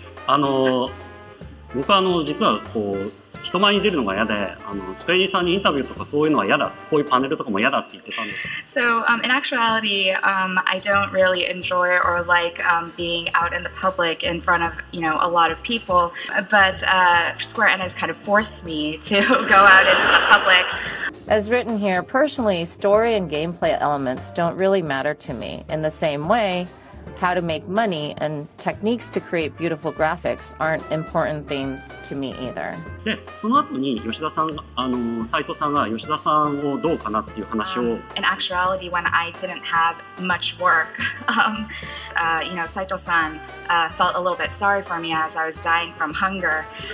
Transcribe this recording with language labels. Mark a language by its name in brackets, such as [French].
[Japanese] 僕は実はこう人前に出るのが嫌で、スペインさんにインタビューとかそういうのは嫌だ、こういうパネルとかも嫌だって言ってたんです。 [English] So, in actuality, I don't really enjoy or like being out in the public in front of, you know, a lot of people. But Square Enix has kind of forced me to go out into the public. As written here, personally, story and gameplay elements don't really matter to me. In the same way, how to make money and techniques to create beautiful graphics aren't important themes to me either. [Japanese] で、その後に吉田さん、斉藤さんが吉田さんをどうかなっていう話を。 [English] In actuality, when I didn't have much work, you know, 斉藤さん felt a little bit sorry for me as I was dying from hunger.